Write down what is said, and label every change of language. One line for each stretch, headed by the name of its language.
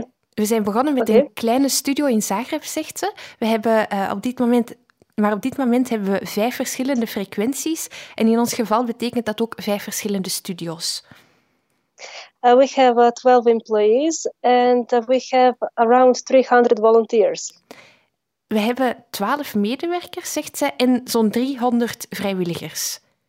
Dutch: We zijn begonnen met een kleine studio in Zagreb, zegt ze. We hebben op dit moment hebben we 5 verschillende frequenties. En in ons geval betekent dat ook 5 verschillende studios.
English: We have 12 employees and we have around 300 volunteers.
Dutch: We hebben 12 medewerkers, zegt ze, en zo'n 300 vrijwilligers.